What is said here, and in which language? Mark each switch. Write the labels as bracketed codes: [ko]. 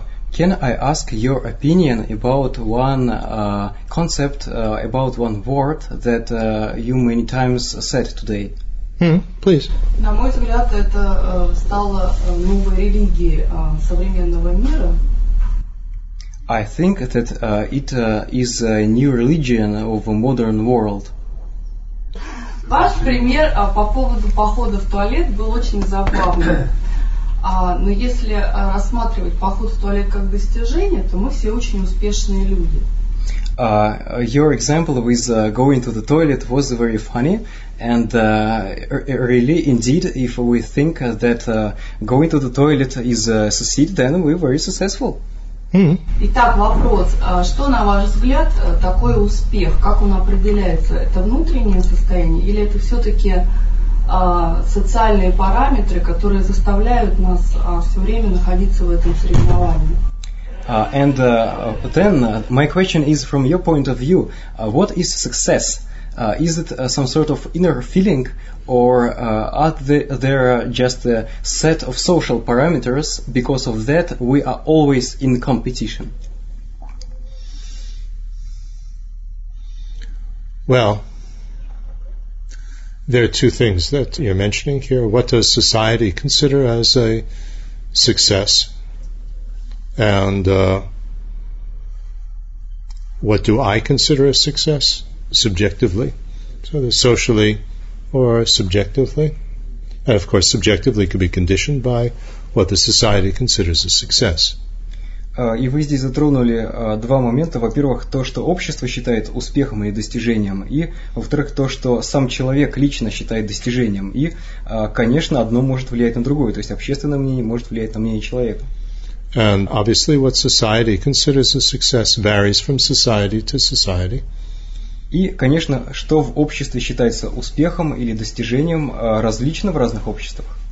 [en] Can I ask your opinion about one concept, about one word that you many times said today? Please. [ru] На мой взгляд, это стало новой религией современного мира. [en] I think that it is a new religion of a modern world. [ru] Ваш пример по поводу похода в туалет был очень забавный. Но если рассматривать поход в туалет как достижение, то мы все очень успешные люди. [en] Your example with going to the toilet was very funny, and really, indeed, if we think that going to the toilet is a success, then we're very successful. [ru] Итак, вопрос. Что, на ваш взгляд, такой успех? Как он определяется? Это внутреннее состояние или это все-таки социальные параметры, которые заставляют нас все время находиться в этом соревновании? [en] My question is from your point of view. What is success? Is it some sort of inner feeling, or are there just a set of social parameters, because of that we are always in competition? Well, there are two things that you're mentioning here. What does society consider as a success? And what do I consider a success? Subjectively, so socially or subjectively, and of course subjectively could be conditioned by what the society considers a success. [ru] И вы здесь затронули два момента. Во-первых, то, что общество считает успехом и достижением, и во-вторых, то, что сам человек лично считает достижением. И, конечно, одно может влиять на другое, то есть общественное мнение может влиять на мнение человека. [en] And obviously what society considers a success varies from society to society. [ru] И, конечно, что в обществе считается успехом или достижением, различно в разных обществах.